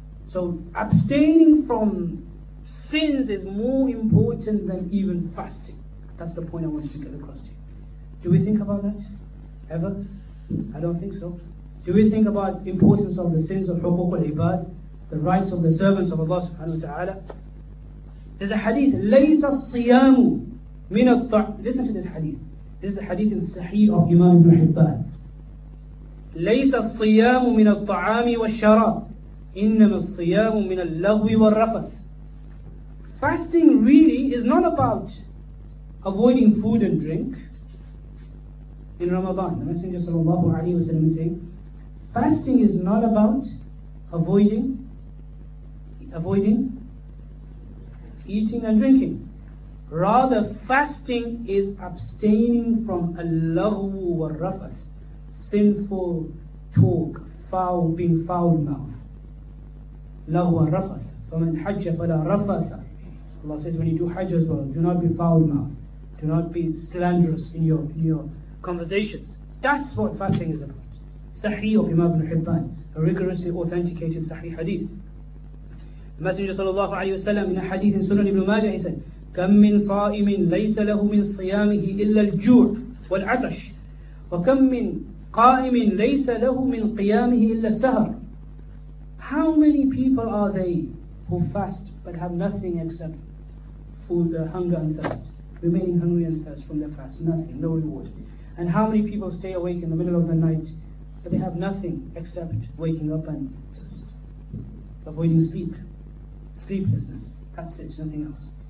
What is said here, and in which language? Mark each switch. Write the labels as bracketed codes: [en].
[en] So abstaining from sins is more important than even fasting. That's the point I want to get across to you. Do we think about that ever? I don't think so. Do we think about the importance of the sins of [ar] حقوق العباد? [en] The rights of the servants of Allah subhanahu wa ta'ala. There's a hadith, [ar] لَيْسَ الصِّيَامُ مِنَ الطَّعَامِ. [en] Listen to this hadith. This is a hadith in Sahih of Imam Ibn Hibban. [ar] لَيْسَ الصِّيَامُ مِنَ الطَّعَامِ وَالشَّرَابِ إِنَّمَا الصِّيَامُ مِنَ اللَّغْوِ وَالرَّفَثِ. [en] Fasting really is not about avoiding food and drink in Ramadan. The Messenger sallallahu alayhi wa sallam is saying, fasting is not about avoiding eating and drinking. Rather, fasting is abstaining from al-laghwu wal-rafath, sinful talk, foul mouth. Laghwu wal-rafath. [ar] فَمَنْ حَجَّ فَلَا رَفَثَ. [en] Allah says when you do hajj as well, do not be foul mouth. Do not be slanderous in your conversations. That's what fasting is about. Sahih of Imam Ibn Hibban, a rigorously authenticated Sahih hadith. The Messenger sallallahu alayhi wa sallam in a hadith in Sunan Ibn Majah, he said, [ar] كَمْ مِنْ صَائِمٍ لَيْسَ لَهُ مِنْ صِيَامِهِ إِلَّا الْجُوعِ وَالْعَتَشِ وَكَمْ مِنْ قَائِمٍ لَيْسَ لَهُ مِنْ قِيَامِهِ إِلَّا السَّهَرِ. [en] How many people are they who fast but have nothing except food, hunger and thirst, remaining hungry and thirst from their fast, nothing, no reward? And how many people stay awake in the middle of the night but they have nothing except waking up and just avoiding sleep, sleeplessness, that's it, nothing else.